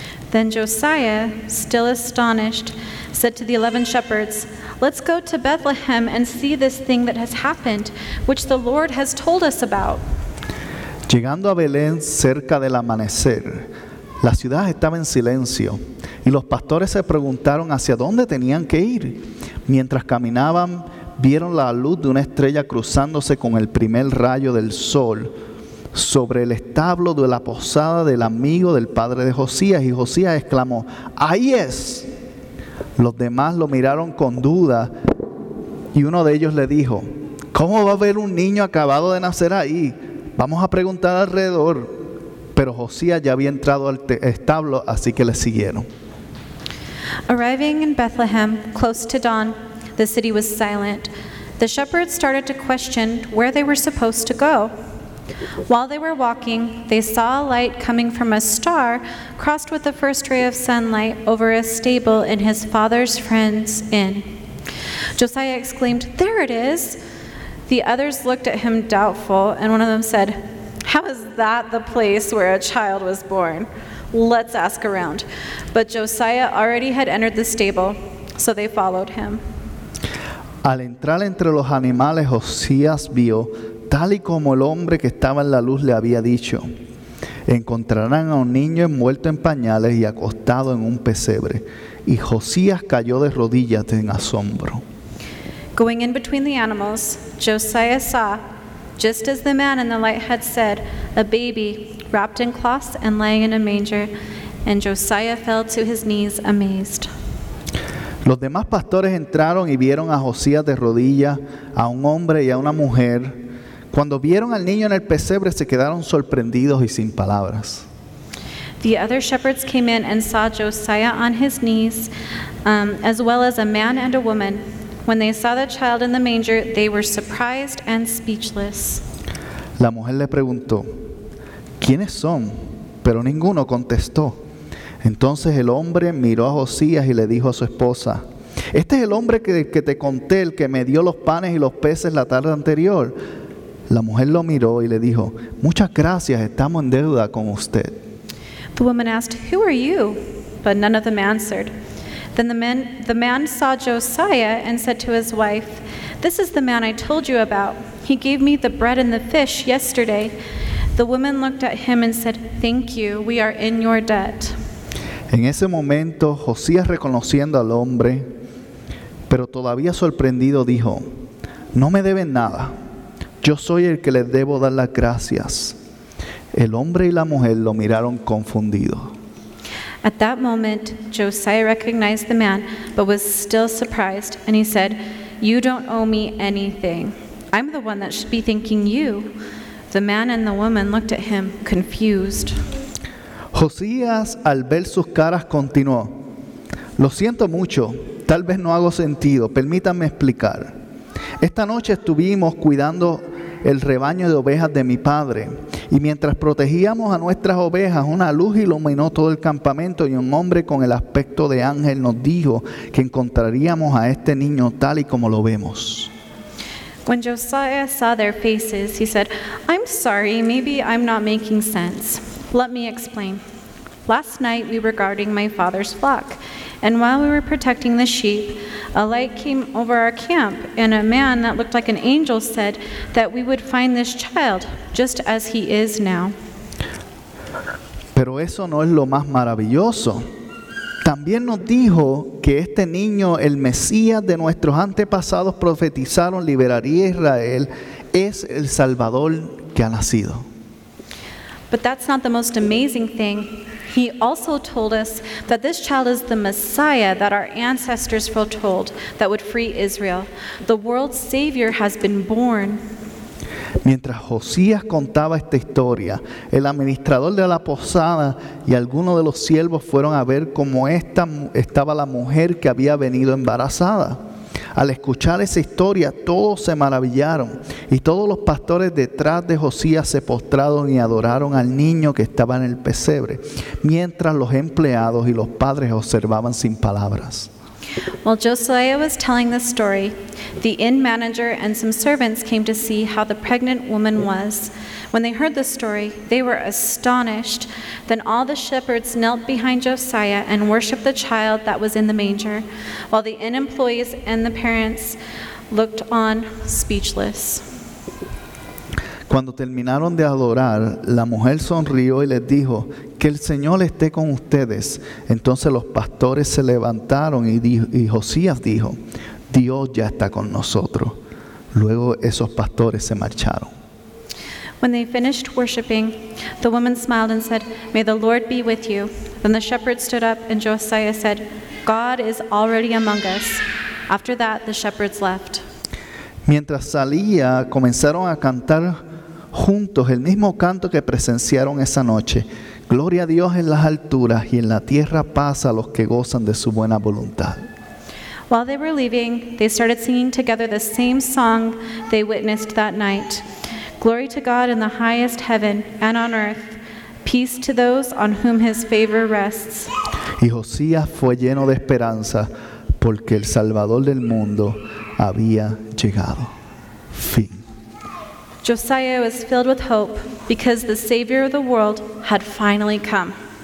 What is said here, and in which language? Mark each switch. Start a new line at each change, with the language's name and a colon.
English: Then Josiah, still astonished, said to the 11 shepherds, "Let's go to Bethlehem and see this thing that has happened, which the Lord has told us about."
Spanish: Llegando a Belén cerca del amanecer, la ciudad estaba en silencio y los pastores se preguntaron hacia dónde tenían que ir. Mientras caminaban, vieron la luz de una estrella cruzándose con el primer rayo del sol sobre el establo de la posada del amigo del padre de Josías, y Josías exclamó, "¡Ahí es!" Los demás lo miraron con duda y uno de ellos le dijo, "¿Cómo va a haber un niño acabado de nacer ahí? Vamos a preguntar alrededor." Pero Josías ya había entrado al establo, así que le siguieron.
English: Arriving in Bethlehem, close to dawn, the city was silent. The shepherds started to question where they were supposed to go. While they were walking, they saw a light coming from a star crossed with the first ray of sunlight over a stable in his father's friend's inn. Josiah exclaimed, "There it is!" The others looked at him doubtful, and one of them said, "How is that the place where a child was born? Let's ask around." But Josiah already had entered the stable, so they followed him.
Spanish: Al entrar entre los animales, Josías vio, tal y como el hombre que estaba en la luz le había dicho, encontrarán a un niño envuelto en pañales y acostado en un pesebre. Y Josías cayó de rodillas en asombro.
English: Going in between the animals, Josiah saw, just as the man in the light had said, a baby wrapped in cloths and laying in a manger, and Josiah fell to his knees amazed.
Spanish: Los demás pastores entraron y vieron a Josías de rodillas, a un hombre y a una mujer. Cuando vieron al niño en el pesebre, se quedaron sorprendidos y sin palabras.
English: The other shepherds came in and saw Josiah on his knees, as well as a man and a woman. When they saw the child in the manger, they were surprised and speechless.
Spanish: La mujer le preguntó, "¿Quiénes son?" Pero ninguno contestó. Entonces el hombre miró a Josías y le dijo a su esposa: este es el hombre que te conté, el que me dio los panes y los peces la tarde anterior. La mujer lo miró y le dijo: muchas gracias, estamos en deuda con usted.
English: The woman asked, who are you? But none of them answered. Then the man saw Josiah and said to his wife, this is the man I told you about. He gave me the bread and the fish yesterday. The woman looked at him and said, thank you, we are in your debt.
Spanish: En ese momento, Josías reconociendo al hombre, pero todavía sorprendido, dijo: no me deben nada. Yo soy el que les debo dar las gracias. El hombre y la mujer lo miraron confundido.
English: At that moment, Josiah recognized the man, but was still surprised, and he said, you don't owe me anything. I'm the one that should be thanking you. The man and the woman looked at him, confused.
Spanish: Josías, al ver sus caras, continuó: lo siento mucho, tal vez no hago sentido, permítanme explicar. Esta noche estuvimos cuidando el rebaño de ovejas de mi padre, y mientras protegíamos a nuestras ovejas, una luz iluminó todo el campamento y un hombre con el aspecto de ángel nos dijo que encontraríamos a este niño tal y como lo vemos.
English: When Josiah saw their faces, he said, I'm sorry, maybe I'm not making sense. Let me explain. Last night we were guarding my father's flock, and while we were protecting the sheep, a light came over our camp, and a man that looked like an angel said that we would find this child just as he is now.
Spanish: Pero eso no es lo más maravilloso. También nos dijo que este niño, el Mesías de nuestros antepasados profetizaron, liberaría a Israel, es el Salvador que ha nacido.
English: But that's not the most amazing thing. He also told us that this child is the Messiah that our ancestors foretold that would free Israel. The world's Savior has been born.
Spanish: Mientras Josías contaba esta historia, el administrador de la posada y algunos de los siervos fueron a ver cómo estaba la mujer que había venido embarazada. Al escuchar esa historia, todos se maravillaron, y todos los pastores detrás de Josías se postraron y adoraron al niño que estaba en el pesebre, mientras los empleados y los padres observaban sin palabras.
English: While Josiah was telling this story, the inn manager and some servants came to see how the pregnant woman was. When they heard the story, they were astonished. Then all the shepherds knelt behind Josiah and worshiped the child that was in the manger, while the inn employees and the parents looked on speechless.
Spanish: Cuando terminaron de adorar, la mujer sonrió y les dijo, que el Señor esté con ustedes. Entonces los pastores se levantaron y Josías dijo, Dios ya está con nosotros. Luego esos pastores se marcharon.
English: When they finished worshiping, the woman smiled and said, may the Lord be with you. Then the shepherd stood up and Josiah said, God is already among us. After that, the shepherds left.
Spanish: Mientras salía, comenzaron a cantar juntos el mismo canto que presenciaron esa noche. Gloria a Dios en las alturas y en la tierra paz a los que gozan de su buena voluntad.
English: While they were leaving, they started singing together the same song they witnessed that night. Glory to God in the highest heaven and on earth. Peace to those on whom his favor rests.
Spanish: Y Josías fue lleno de esperanza porque el Salvador del mundo había llegado. Fin.
English: Josiah was filled with hope because the Savior of the world had finally come.